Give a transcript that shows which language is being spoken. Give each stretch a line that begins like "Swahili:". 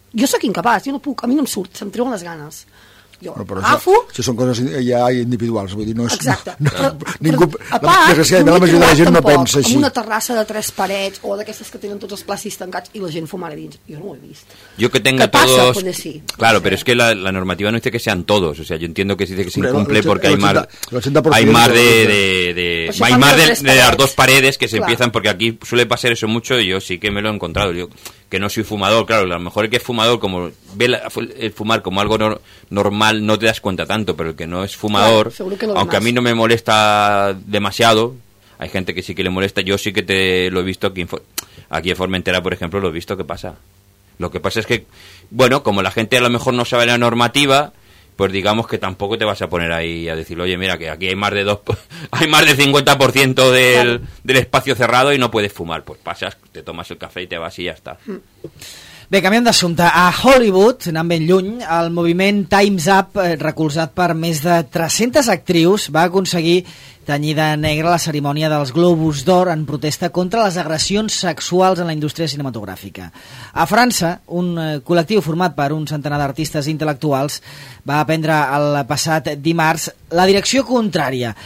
Catalan: Jo sóc incapaç, jo no puc, a mi no em surt, se'm treuen les ganes. Jo però això són coses ja individuals, vull dir, no és... Exacte. La majoria de la gent no pensa així. Amb una terrassa de tres parets o d'aquestes que tenen tots els plàstics tancats i la gent fumar a dins, jo no ho he vist.
Spanish: Jo que tenga todos...
Catalan: Què passa, potser sí?
Spanish: Claro,
Catalan: però és que
Spanish: la normativa no dice que sean todos, o sea, yo entiendo que dice que se incumple porque hay más de las dos paredes que se empiezan, porque aquí suele pasar eso mucho y yo sí que me lo he encontrado, yo... que no soy fumador, claro, a lo mejor el que es fumador como ve el fumar como algo normal no te das cuenta tanto, pero el que no es fumador, claro, aunque más. A mí no me molesta demasiado, hay gente que sí que le molesta, yo sí que te lo he visto aquí en Formentera, por ejemplo, lo he visto que pasa. Lo que pasa es que, bueno, como la gente a lo mejor no sabe la normativa, pues digamos que tampoco te vas a poner ahí a decir, oye, mira, que aquí hay más de 50% del espacio cerrado y no puedes fumar. Pues pasas, te tomas el café y te vas y ya está.
Catalan: Bé, canviem d'assumpte. A Hollywood, anant ben lluny, el moviment Time's Up, recolzat per més de 300 actrius, va aconseguir tenyir de negre la cerimònia dels Globus d'Or en protesta contra les agressions sexuals en la indústria cinematogràfica. A França, un col·lectiu format per un centenar d'artistes intel·lectuals va prendre el passat dimarts la direcció contrària.